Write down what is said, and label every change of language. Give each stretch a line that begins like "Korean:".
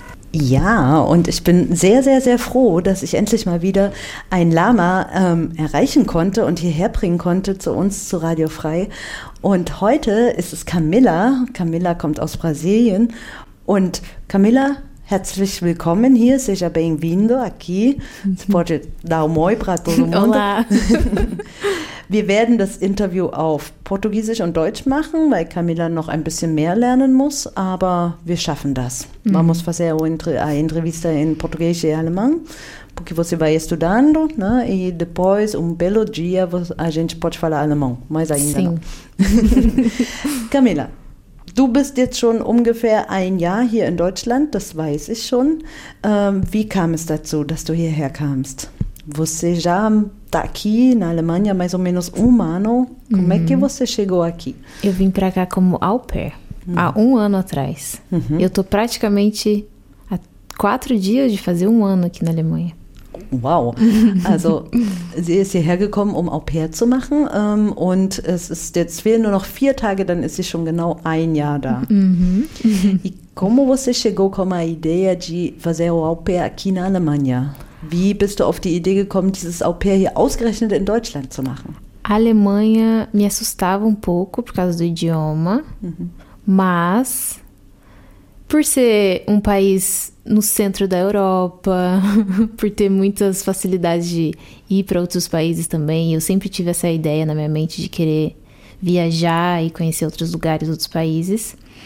German: Ja, und ich bin sehr, sehr, sehr froh, dass ich endlich mal wieder ein Lama erreichen konnte und hierher bringen konnte zu uns, zu Radio Frei. Und heute ist es Camila. Camila kommt aus Brasilien. Und Camila, herzlich willkommen hier.
Portuguese: Seja bem-vindo aqui. Pode dar um oi para todo mundo. Olá.
German: Wir werden das Interview auf Portugiesisch und Deutsch machen, weil Camila noch ein bisschen mehr lernen muss, aber wir schaffen das.
Portuguese: Vamos fazer a entrevista em português e alemão, porque você vai estudando, né? E depois, um belo dia, a gente pode falar alemão, mais ainda. Sim.
German: Camila, du bist jetzt schon ungefähr ein Jahr hier in Deutschland, das weiß ich schon. Wie kam es dazu, dass du hierher kamst?
Portuguese: Você já está aqui na Alemanha mais ou menos um ano. Como é que você chegou aqui? Eu vim para cá como au pair há um ano atrás. Eu estou praticamente há 4 dias de fazer um ano aqui na Alemanha. Uau!
German: Also, sie ist hierher gekommen, um au pair zu machen. Und es ist jetzt fehlen nur noch 4 Tage, dann ist sie schon genau ein Jahr da.
Portuguese: E como você chegou com a ideia de fazer o au pair aqui na Alemanha?
German: Wie bist du auf die Idee gekommen, dieses Au-pair hier ausgerechnet in Deutschland zu machen?
Portuguese: Alemanha me assustava pouco por causa do idioma, mas por ser país no centro da Europa, por ter muitas facilidades de ir para outros países também, eu sempre tive essa ideia na minha mente de querer viajar e conhecer outros lugares, outros países.